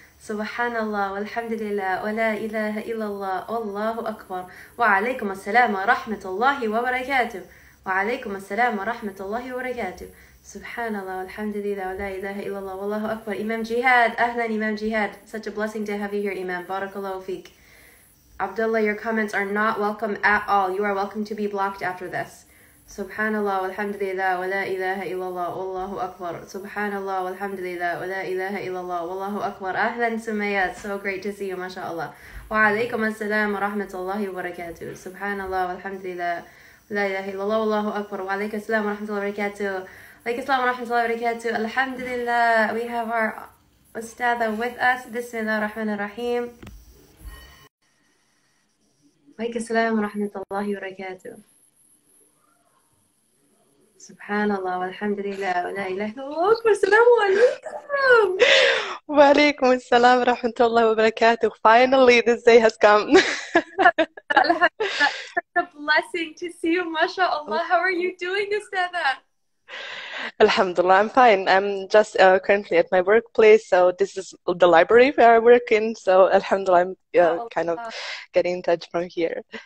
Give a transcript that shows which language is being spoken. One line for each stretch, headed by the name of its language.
Arabic: سبحان الله والحمد لله ولا إله إلا الله والله أكبر. وعليكم السلام ورحمة الله وبركاته. وعليكم السلام ورحمة الله وبركاته. سبحان الله والحمد لله ولا إله إلا الله والله أكبر. إمام جهاد، أهلا إمام جهاد.
English: Such a blessing to have you here, Imam.
Arabic: بارك الله فيك.
English: Abdullah, your comments are not welcome at all. You are welcome to be blocked after this.
Arabic: سبحان الله والحمد لله ولا إله إلا الله والله أكبر. سبحان الله والحمد لله ولا إله إلا الله والله أكبر. أهلا سمية.
English: So great to see you,
Arabic: ما شاء الله. وعليكم السلام ورحمة الله وبركاته. سبحان الله والحمد لله لا إله إلا الله والله أكبر. وعليكم السلام ورحمة الله وبركاته. وعليكم السلام ورحمة الله وبركاته. الحمد لله.
English: We have our أستاذة with us.
Arabic: بسم الله الرحمن الرحيم. وعليك السلام ورحمة الله وبركاته. سبحان الله والحمد لله ولا إله أكبر. السلام عليكم. وعليكم السلام ورحمة الله وبركاته.
English: Finally this day has come. It's a blessing to see you,
Arabic: ما شاء الله.
English: How are you doing, أستاذة؟
Arabic: الحمد لله,
English: I'm fine. I'm just currently at my workplace, so this is the library where I work in. So alhamdulillah, I'm kind of getting in touch from here.